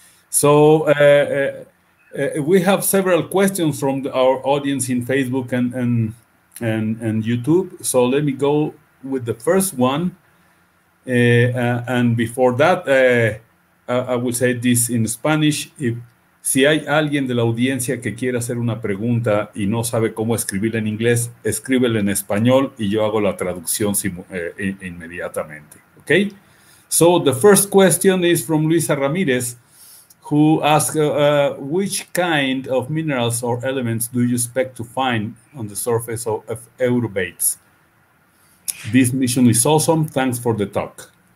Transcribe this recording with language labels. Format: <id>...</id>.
<en>So we have several questions from our audience in Facebook and YouTube. So let me go with the first one. And before that, I will say this in Spanish.</en> <es>Si hay alguien de la audiencia que quiera hacer una pregunta y no sabe cómo escribirla en inglés, escríbela en español y yo hago la traducción inmediatamente.</es> <en>Okay? So the first question is from Luisa Ramirez, who asks, which kind of minerals or elements do you expect to find on the surface of Eurybates? This mission is awesome. Thanks for the talk.</en>